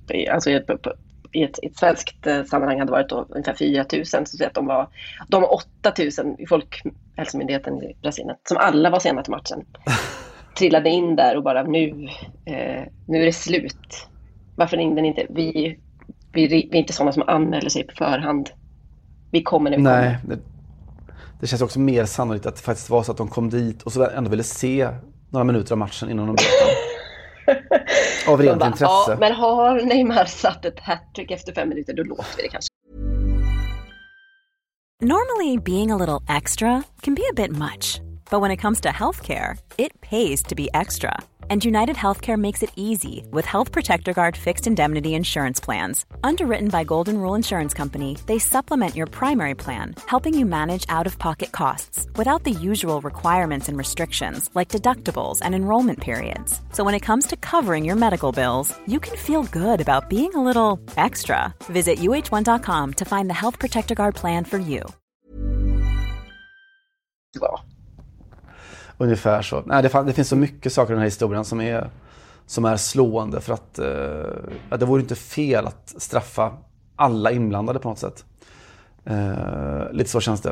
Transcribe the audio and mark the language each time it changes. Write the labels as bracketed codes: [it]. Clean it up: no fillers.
[sv] alltså i ett svenskt sammanhang hade varit då ungefär 4 000, så att de 8 000 i Folkhälsomyndigheten i Brasilien, som alla var sena till matchen, trillade in där och bara nu är det slut, varför ringde ni inte, vi är inte sådana som anmäler sig på förhand, vi kommer när vi Nej. kommer. Det känns också mer sannolikt att det faktiskt var så att de kom dit och så ändå ville se några minuter av matchen innan de bröt av rent bara, intresse. Ja, men har Neymar satt ett hattrick efter 5 minuter, då låter vi det kanske. [en] Normally being a little extra can be a bit much. But when it comes to healthcare, it pays to be extra. And United Healthcare makes it easy with Health Protector Guard fixed indemnity insurance plans. Underwritten by Golden Rule Insurance Company, they supplement your primary plan, helping you manage out-of-pocket costs without the usual requirements and restrictions like deductibles and enrollment periods. So when it comes to covering your medical bills, you can feel good about being a little extra. Visit uh1.com to find the Health Protector Guard plan for you. [sv] Wow. Ungefär så. Nej, det finns så mycket saker i den här historien som är slående, för att det vore inte fel att straffa alla inblandade på något sätt. Lite så känns det.